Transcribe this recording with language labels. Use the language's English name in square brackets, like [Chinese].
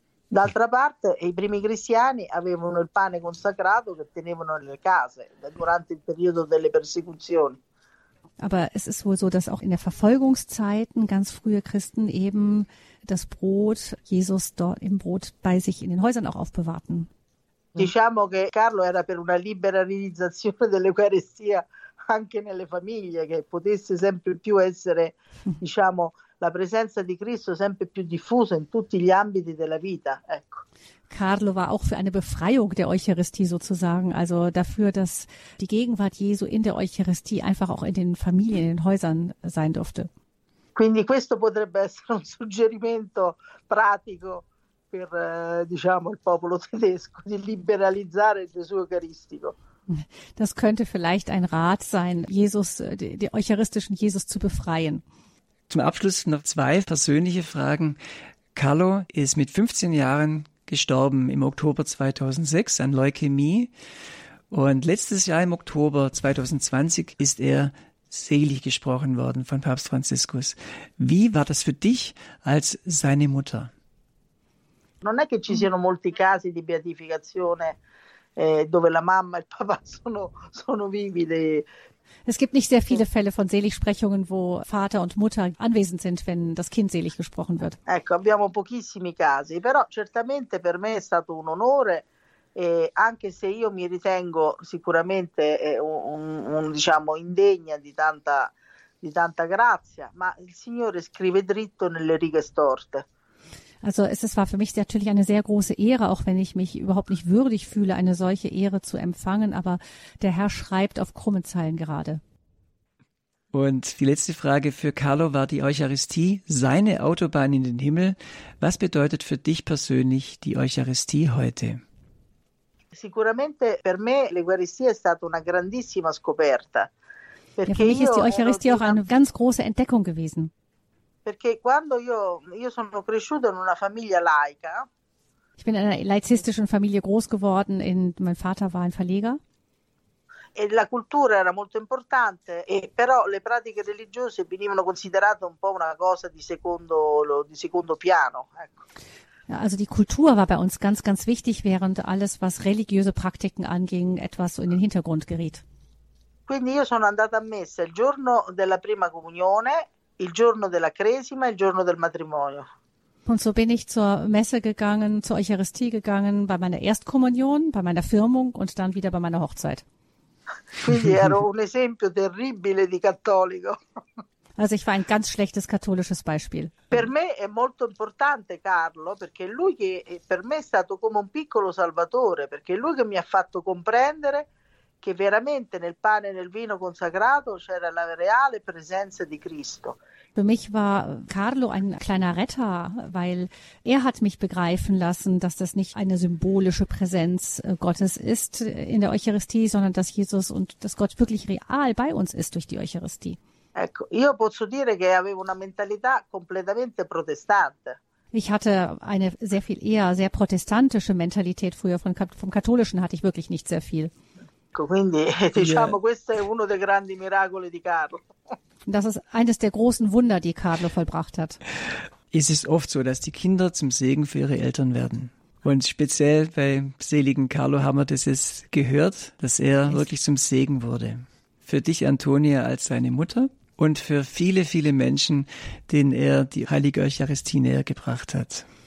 [Italian] D'altra parte, i primi cristiani avevano il pane consacrato che tenevano nelle case durante il periodo delle persecuzioni. [German] Aber es ist wohl so, dass auch in der Verfolgungszeiten ganz frühe Christen eben das Brot, Jesus dort im Brot bei sich in den Häusern auch aufbewahrten. [Italian] Diciamo che Carlo era per una liberalizzazione dell'Eucaristia anche nelle famiglie, che potesse sempre più essere, diciamo, la presenza di Cristo sempre più diffusa in tutti gli ambiti della vita, ecco. [German] Carlo war auch für eine Befreiung der Eucharistie sozusagen, also dafür, dass die Gegenwart Jesu in der Eucharistie einfach auch in den Familien, in den Häusern sein durfte. [Italian] Quindi questo potrebbe essere un suggerimento pratico per diciamo il popolo tedesco di liberalizzare Gesù eucaristico. [German] Das könnte vielleicht ein Rat sein, Jesus, den eucharistischen Jesus zu befreien. Zum Abschluss noch zwei persönliche Fragen. Carlo ist mit 15 Jahren gestorben im Oktober 2006 an Leukämie. Und letztes Jahr im Oktober 2020 ist er selig gesprochen worden von Papst Franziskus. Wie war das für dich als seine Mutter? [Italian] Non è che ci siano molti casi di beatificazione dove la mamma e il papà sono vivi. [German] Es gibt nicht sehr viele Fälle von Seligsprechungen, wo Vater und Mutter anwesend sind, wenn das Kind selig gesprochen wird. [Italian] Ecco, abbiamo pochissimi casi, però certamente per me è stato un onore Anche se io mi ritengo sicuramente diciamo indegna di tanta grazia, ma il Signore scrive dritto nelle righe storte. [German] Also es war für mich natürlich eine sehr große Ehre, auch wenn ich mich überhaupt nicht würdig fühle, eine solche Ehre zu empfangen, aber der Herr schreibt auf krumme Zeilen gerade. Und die letzte Frage für Carlo war die Eucharistie, seine Autobahn in den Himmel. Was bedeutet für dich persönlich die Eucharistie heute? [Italian] Sicuramente per me l'Eucaristia è stata una grandissima scoperta. [German] Ja, für mich ist die Eucharistie auch eine ganz große Entdeckung gewesen. [Italian] Perché quando io sono cresciuto in una famiglia laica. [German] Ich bin in einer laizistischen Familie groß geworden. Mein Vater war ein Verleger. [Italian] E la cultura era molto importante, però le pratiche religiöse venivano considerate un po' una cosa di secondo piano. Ecco. [German] Ja, also die Kultur war bei uns ganz, ganz wichtig, während alles, was religiöse Praktiken anging, etwas so in den Hintergrund geriet. [Italian] Quindi io sono andata a messa il giorno della prima comunione, il giorno della cresima, il giorno del matrimonio. [German] Und so bin ich zur Messe gegangen, zur Eucharistie gegangen, bei meiner Erstkommunion, bei meiner Firmung und dann wieder bei meiner Hochzeit. [Italian] Quindi ero un esempio terribile di cattolico. [German] Also ich war ein ganz schlechtes katholisches Beispiel. [Italian] Per me è molto importante Carlo, perché lui che per me è stato come un piccolo salvatore, perché lui che mi ha fatto comprendere che veramente nel pane e nel vino consacrato c'era la reale presenza di Cristo. [German] Für mich war Carlo ein kleiner Retter, weil hat mich begreifen lassen, dass das nicht eine symbolische Präsenz Gottes ist in der Eucharistie, sondern dass Jesus und dass Gott wirklich real bei uns ist durch die Eucharistie. [Italian] Ecco, io posso dire che avevo una mentalità completamente protestante. [German] Ich hatte eine sehr viel eher sehr protestantische Mentalität früher. Vom Katholischen hatte ich wirklich nicht sehr viel. [Italian] Ecco, quindi diciamo, questo è uno dei grandi miracoli di Carlo. [German] Das ist eines der großen Wunder, die Carlo vollbracht hat. Es ist oft so, dass die Kinder zum Segen für ihre Eltern werden. Und speziell bei seligen Carlo haben wir das jetzt gehört, dass wirklich zum Segen wurde. Für dich, Antonia, als seine Mutter und für viele, viele Menschen, denen die Heilige Eucharistie näher gebracht hat.